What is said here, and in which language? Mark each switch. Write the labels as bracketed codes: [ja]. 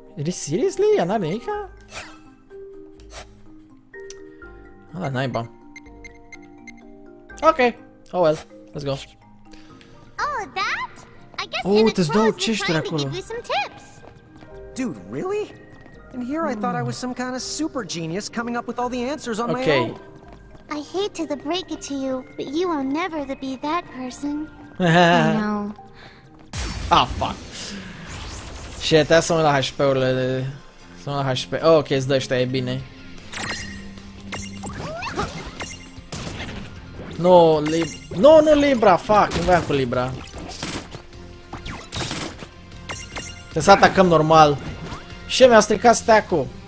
[en] Seriously? [ro] Ea n-are nimica? Ala naiba. [en] Ok. Oh well. Let's go. Oh, that? I guess oh, [ro] te-s două ceștere acolo. [en] Dude, really? And here I thought I was some kind of super genius coming up with all the answers on okay. my own. I hate to the break it to you, but you will never be that person. You know. Ah, fuck. Shit, that's some of the HP-urile. Some of the HP. [ro] Oh, okay, îți dă ăștia, e bine. No, no, nu Libra, fuck, nu vreau cu Libra. Trebuie să atacăm normal. Și mi-a stricat stack-ul.